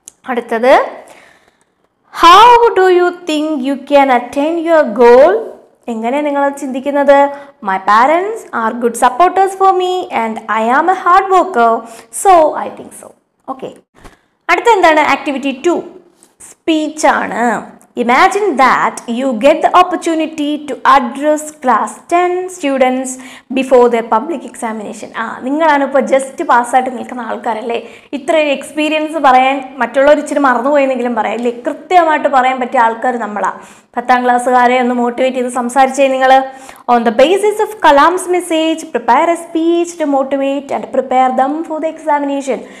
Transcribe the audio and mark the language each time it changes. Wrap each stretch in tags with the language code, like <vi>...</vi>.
<en>അടുത്തത്, how do you think you can attain your goal?</en> <ml>എങ്ങനെ നിങ്ങളത് ചിന്തിക്കുന്നത്?</ml> <en>My parents are good supporters for me and I am a hard worker, so I think so.</en> <ml>Okay, അടുത്ത എന്താണ് activity two? Speech ആണ്.</ml> <en>Imagine that you get the opportunity to address class 10 students before their public examination.</en> <ml>നിങ്ങളാണ് ഇപ്പോൾ just പാസ്സായിട്ട് നിൽക്കുന്ന ആൾക്കാരല്ലേ, ഇത്രയും experience പറയാൻ മറ്റുള്ളവർ ഇച്ചിരി മറന്നുപോയെന്നെങ്കിലും പറയാം അല്ലേ, കൃത്യമായിട്ട് പറയാൻ പറ്റിയ ആൾക്കാർ നമ്മളാണ്. പത്താം ക്ലാസ്സുകാരെ ഒന്ന് മോട്ടിവേറ്റ് ചെയ്ത് സംസാരിച്ചേ നിങ്ങൾ.</ml> <en>On the basis of Kalam's message prepare a speech to motivate and prepare them for the examination.</en>